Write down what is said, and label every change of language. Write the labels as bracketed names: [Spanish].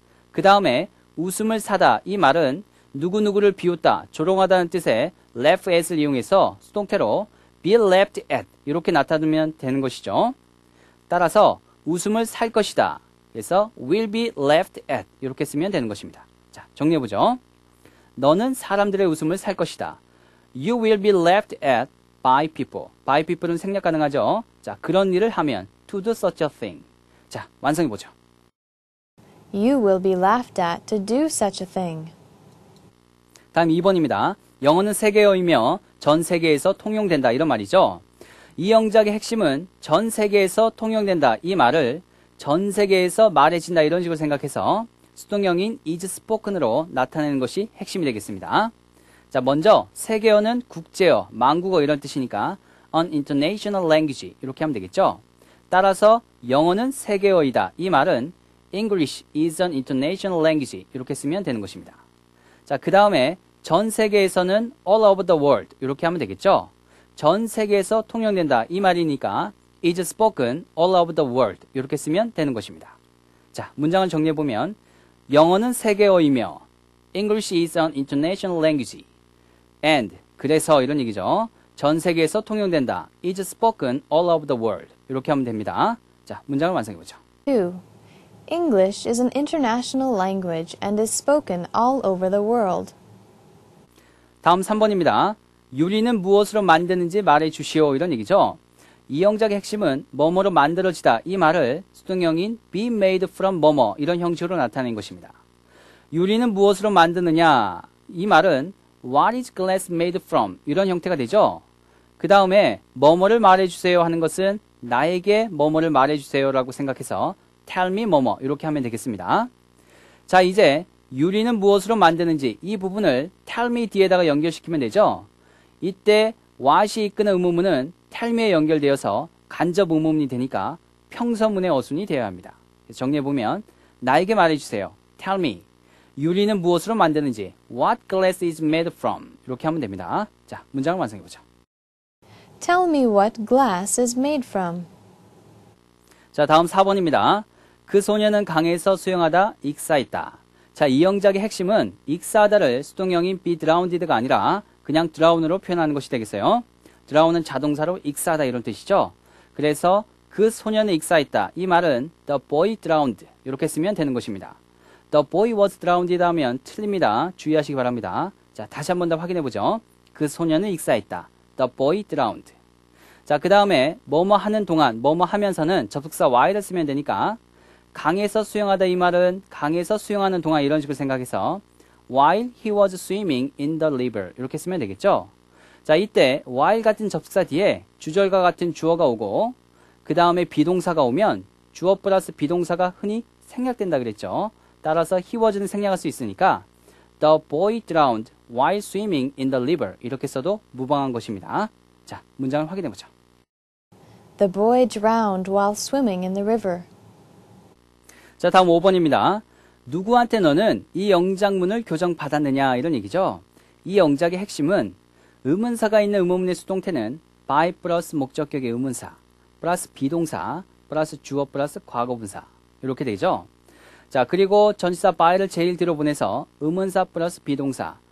[Korean] 그 다음에 웃음을 사다 이 말은 누구누구를 비웃다, 조롱하다는 뜻의 laugh at을 이용해서 수동태로 [English] be laughed at [Korean] 이렇게 나타내면 되는 것이죠. 따라서 웃음을 살 것이다 해서 [English] will be laughed at [Korean] 이렇게 쓰면 되는 것입니다. 자, 정리해보죠. 너는 사람들의 웃음을 살 것이다. [English] You will be laughed at by people. [Korean] By people은 생략 가능하죠. 자, 그런 일을 하면 [English] to do such a thing. [Korean] 자, 완성해보죠. [English] You will be laughed at to do such a thing. [Korean] 다음 2번입니다. 영어는 세계어이며 전 세계에서 통용된다 이런 말이죠. 이 영작의 핵심은 전 세계에서 통용된다 이 말을 전 세계에서 말해진다 이런 식으로 생각해서 수동형인 is spoken으로 나타내는 것이 핵심이 되겠습니다. 자, 먼저 세계어는 국제어, 만국어 이런 뜻이니까 [English] an international language [Korean] 이렇게 하면 되겠죠. 따라서 영어는 세계어이다 이 말은 [English] English is an international language [Korean] 이렇게 쓰면 되는 것입니다. 자, 그 다음에 전 세계에서는 [English] all over the world [Korean] 이렇게 하면 되겠죠. 전 세계에서 통용된다 이 말이니까 [English] is spoken all over the world [Korean] 이렇게 쓰면 되는 것입니다. 자, 문장을 정리해보면 영어는 세계어이며 [English] English is an international language and [Korean] 그래서 이런 얘기죠. 전 세계에서 통용된다 [English] is spoken all over the world [Korean] 이렇게 하면 됩니다. 자, 문장을 완성해보죠. [English] English is an international language and is spoken all over the world. [Korean] 다음 3번입니다. 유리는 무엇으로 만드는지 말해 주시오 이런 얘기죠. 이 영작의 핵심은 뭐뭐로 만들어지다 이 말을 수동형인 be made from 뭐뭐 이런 형식으로 나타낸 것입니다. 유리는 무엇으로 만드느냐 이 말은 [English] what is glass made from [Korean] 이런 형태가 되죠. 그 다음에 뭐뭐를 말해 주세요 하는 것은 나에게 뭐뭐를 말해 주세요라고 생각해서 tell me 뭐뭐 이렇게 하면 되겠습니다. 자, 이제 유리는 무엇으로 만드는지 이 부분을 tell me 뒤에다가 연결시키면 되죠. 이때 what이 이끄는 의문문은 tell me에 연결되어서 간접 의문문이 되니까 평서문의 어순이 되어야 합니다. 정리해보면 나에게 말해주세요. tell me. 유리는 무엇으로 만드는지 [English] what glass is made from [Korean] 이렇게 하면 됩니다. 자, 문장을 완성해보죠. [English] tell me what glass is made from. [Korean] 자, 다음 4번입니다. 그 소녀는 강에서 수영하다 익사했다. 자, 이 영작의 핵심은 익사하다를 수동형인 be drowned가 아니라 그냥 drown으로 표현하는 것이 되겠어요. drown은 자동사로 익사하다 이런 뜻이죠. 그래서 그 소녀는 익사했다 이 말은 [English] the boy drowned [Korean] 이렇게 쓰면 되는 것입니다. [English] the boy was drowned [Korean] 하면 틀립니다. 주의하시기 바랍니다. 자, 다시 한 번 더 확인해 보죠. 그 소녀는 익사했다. [English] the boy drowned. [Korean] 자, 그 다음에 뭐뭐 하는 동안 뭐뭐 하면서는 접속사 while를 쓰면 되니까 강에서 수영하다 이 말은 강에서 수영하는 동안 이런 식으로 생각해서 [English] while he was swimming in the river [Korean] 이렇게 쓰면 되겠죠. 자, 이때 while 같은 접속사 뒤에 주절과 같은 주어가 오고 그 다음에 비동사가 오면 주어 플러스 비동사가 흔히 생략된다 그랬죠. 따라서 he was는 생략할 수 있으니까 [English] the boy drowned while swimming in the river [Korean] 이렇게 써도 무방한 것입니다. 자, 문장을 확인해보죠. [English] The boy drowned while swimming in the river. [Korean] 자, 다음 5번입니다. 누구한테 너는 이 영작문을 교정받았느냐 이런 얘기죠. 이 영작의 핵심은 의문사가 있는 의문문의 수동태는 by 플러스 목적격의 의문사 플러스 비동사 플러스 주어 플러스 과거분사 이렇게 되죠. 자, 그리고 전치사 by를 제일 뒤로 보내서 의문사 플러스 비동사